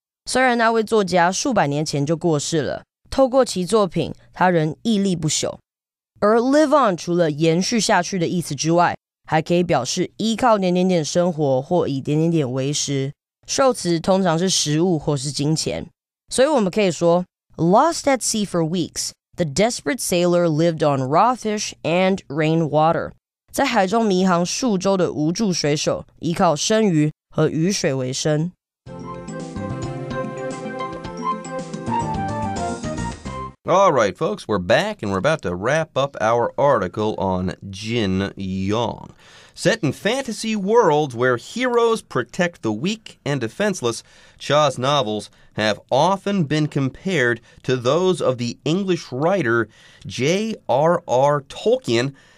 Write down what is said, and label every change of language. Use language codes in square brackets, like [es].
[zh] 虽然那位作家数百年前就过世了，透过其作品，他仍屹立不朽。而 [en] live on [zh] 除了延续下去的意思之外，还可以表示依靠点点点生活或以点点点为食。受词通常是食物或是金钱。所以我们可以说 [en] Lost at sea for weeks, the desperate sailor lived on raw fish and rainwater. [zh] 在海中迷航数周的无助水手，依靠生鱼和雨水为生。 [en] All right, folks, we're back and we're about to wrap up our article on Jin Yong. Set in fantasy worlds where heroes protect the weak and defenseless, Cha's novels have often been compared to those of the English writer J.R.R. Tolkien,